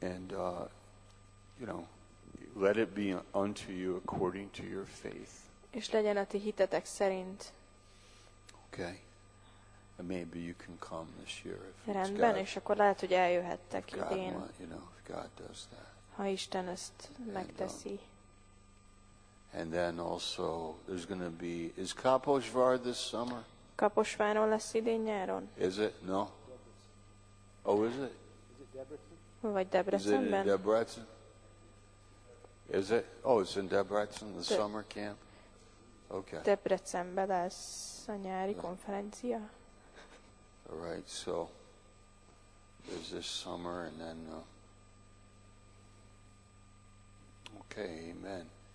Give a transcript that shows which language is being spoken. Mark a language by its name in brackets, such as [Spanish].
[English] You know, let it be unto you according to your faith. [Hungarian] És legyen a ti hitetek szerint. [English] Okay. Maybe you can come this year if [Hungarian] rendben, és akkor lehet, hogy eljöhettek idén. [English] You know, if God does that. [Hungarian] Ha Isten ezt megteszi. [English] And then also there's going to be is Kaposvár this summer? [Hungarian] Kaposváron lesz idén nyáron. [English] Is it? No. Oh, is it? [Hungarian] Vagy Debrecenben. [English] Is it in Debrecen? Is it? Oh, it's in Debrecen, the summer camp. Okay. [Hungarian] Debrecenben lesz a nyári konferencia. [English] All right, so there's this summer, and then okay, amen.